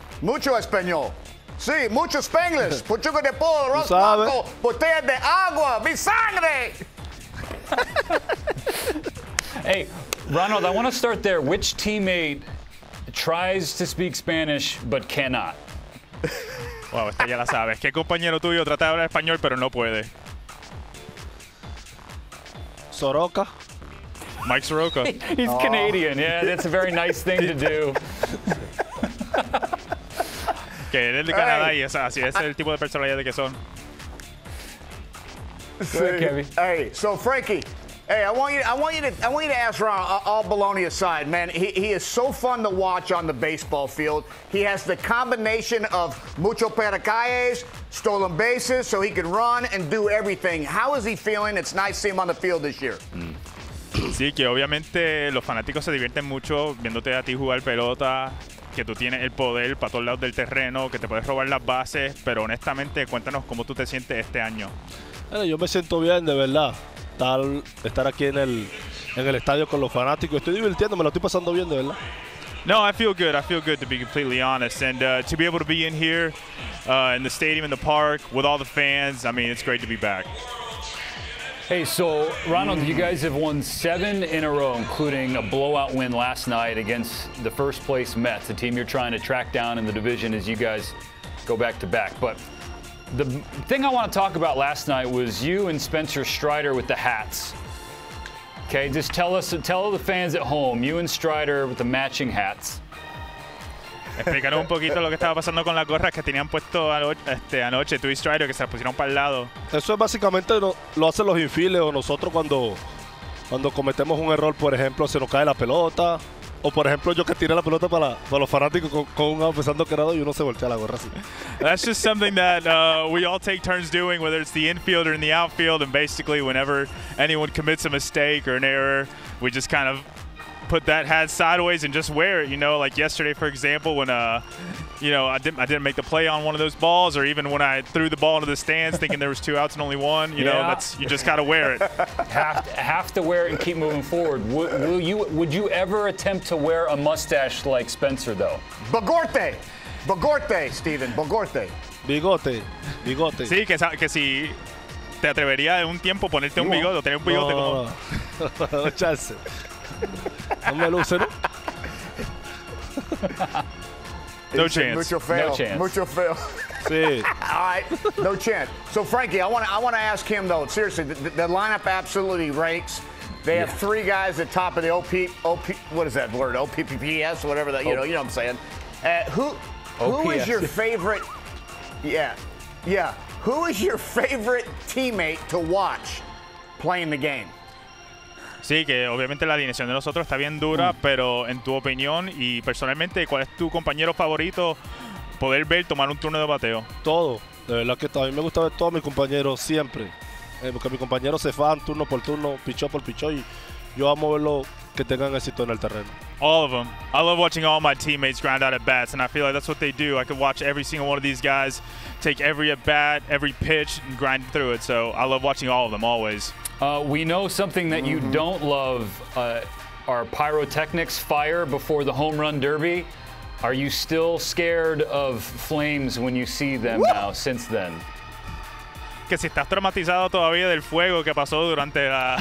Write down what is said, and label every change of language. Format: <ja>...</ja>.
<es>Mucho Espanol. Si, mucho Spanglish. Puchuco de pollo, arroz blanco, botella de agua, mi sangre.</es> <en>Hey, Ronald, I want to start there. Which teammate tries to speak Spanish but cannot?</en> <es>Wow, esta ya la sabes. ¿Qué compañero tuyo trata de hablar español pero no puede? Soroka. Mike Soroka.</es> <en>He's Canadian. Yeah, that's a very nice thing to do.</en> <es>Que él es de Canadá y es así. Es el tipo de personalidad que son.</es> <en>Hey, so Frankie. Hey, I want you to ask Ron, all baloney aside, man. He is so fun to watch on the baseball field. He has the combination of</en> <es>mucho paracaídas,</es> <en>stolen bases, so he can run and do everything. How is he feeling? It's nice to see him on the field this year.</en> <es>Sí, que obviamente los fanáticos se divierten mucho viéndote a ti jugar pelota, que tú tienes el poder para todos lados del terreno, que te puedes robar las bases, pero honestamente, cuéntanos cómo tú te sientes este año. Bueno, yo me siento bien, de verdad. Estar aquí en el estadio con los fanáticos. Estoy divirtiéndome, lo estoy pasando bien, de verdad.</es> <en>No, I feel good. I feel good, to be completely honest. And to be able to be in here, in the stadium, in the park, with all the fans, I mean, it's great to be back. Hey, so, Ronald, you guys have won 7 in a row, including a blowout win last night against the first-place Mets, a team you're trying to track down in the division as you guys go back-to-back. But the thing I want to talk about last night was you and Spencer Strider with the hats. Okay, just tell the fans at home, you and Strider with the matching hats.</en> <es>Explicaron un poquito lo que estaba pasando con las gorras que tenían puesto anoche, tú y Strider, que se las pusieron para el lado. Eso es básicamente lo hacen los infieles o nosotros cuando cometemos un error, por ejemplo, se nos cae la pelota. O por ejemplo yo que tiré la pelota para los fanáticos con un out pensando que era dos y uno se voltea la gorra así.</es> <en>That's just something that we all take turns doing, whether it's the infield or in the outfield, and basically whenever anyone commits a mistake or an error, we just kind of put that hat sideways and just wear it, you know, like yesterday for example when I didn't make the play on one of those balls, or even when I threw the ball into the stands thinking there was two outs and only one, you know, that's, you just gotta wear it. Have to wear it and keep moving forward. Would you ever attempt to wear a mustache like Spencer though?</en> <es>Bigote, Steven, bigote. Bigote. Sí, que si te atrevería un tiempo ponerte un bigote, tener un bigote como.</es> <en>No chance.</en> <es>No me luce, ¿no?</es> <en>No chance. Mucho fail. No chance. Mucho fail.</en> <es>Sí.</es> <en>All right. No chance. So, Frankie, I want to ask him, though. Seriously, the lineup absolutely rakes. They have three guys at top of the OP. What is that word? OPPPS, whatever that, you know what I'm saying. Who is your favorite? Yeah. Who is your favorite teammate to watch playing the game?</en> <es>Sí, que obviamente la alineación de nosotros está bien dura, pero en tu opinión y personalmente, ¿cuál es tu compañero favorito poder ver tomar un turno de bateo? Todo. De verdad que a mí me gusta ver todos mis compañeros siempre. Porque mis compañeros se van turno por turno, pichó por pichó, y yo amo verlo que tengan éxito en el terreno.</es> <en>All of them. I love watching all my teammates grind out at bats, and I feel like that's what they do. I could watch every single one of these guys take every at bat, every pitch, and grind through it. So I love watching all of them, always. We know something that you don't love are pyrotechnics, fire before the home run derby. Are you still scared of flames when you see them now, since then?</en> <es>Que si estás traumatizado todavía del fuego que pasó durante la</es>